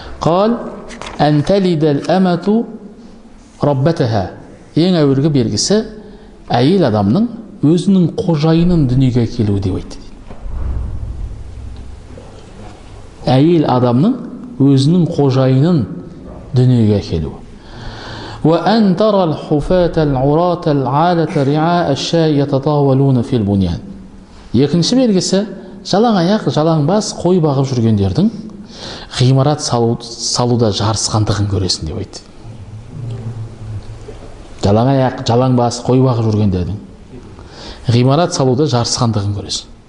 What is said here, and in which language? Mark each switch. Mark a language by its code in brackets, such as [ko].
[ar] Қал ан талидал амату раббатаха. [kk] Ең әуелгі белгісі әйел адамның өзінің қожайынын дүниеге келуі деп айтты дейді. Әйел адамның өзінің қожайынын дүниеге келуі. [ar] وأن ترى الحفاة العراة العالة رعاء الشاة يتطاولون في البنيان. [kk] Екінші белгісі жалаң аяқ, жалаң бас қой бағып жүргендердің ғимарат салуда жарысқандығын көресің деп айтты. Жалаң аяқ, жалаң бас қой бағып жүргендердің ғимарат салуда жарысқандығын көресің.